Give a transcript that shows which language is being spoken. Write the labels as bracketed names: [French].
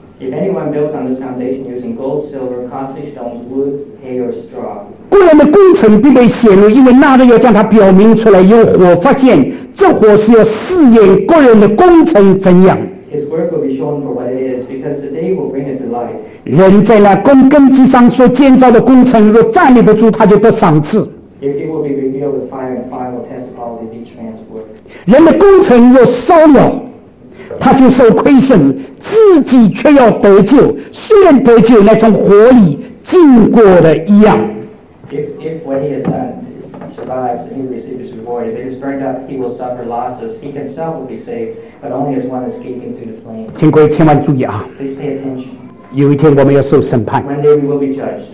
[English] If anyone builds on this foundation using gold, silver, costly stones, wood, hay, or straw, [Chinese] 个人的工程必被显露，因为那日要将它表明出来，用火发现，这火是要试验个人的工程怎样。 [English] His work will be shown for what it is, because the day will bring it to light. [Chinese] 人在那根基上所建造的工程，若站立不住，他就得赏赐。 [English] It will be revealed with fire, and fire will test the quality of each man's work. [Chinese] 人的工程若烧了，他就受亏损，自己却要得救，虽然得救乃从火里进过的一样。 [English] If what he has done survives, he receives reward. If it is burned up, he will suffer losses. He himself will be saved, but only as one escaping through the flame. [Chinese] 请各位千万注意啊！ [English] Please pay attention. [Chinese] 有一天我们要受审判。 [English] One day we will be judged.